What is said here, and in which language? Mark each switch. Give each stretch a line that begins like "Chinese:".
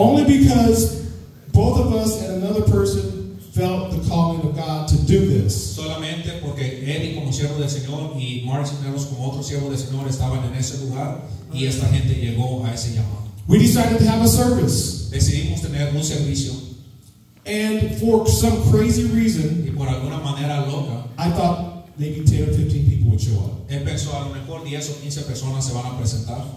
English: Only because both of us and another person felt the calling of God to do this.
Spanish: Solamente porque Eddie como siervo del Señor y Mark Cisneros como otro siervo del Señor estaban en ese lugar y esta gente llegó a ese llamado.
English: We decided to have a service.
Spanish: Decidimos tener un servicio.
English: And for some crazy reason,
Spanish: y por alguna manera loca,
English: I thought maybe 10 or 15 people would show up.
Spanish: Él pensó a lo mejor 10 o 15 personas se van a presentar.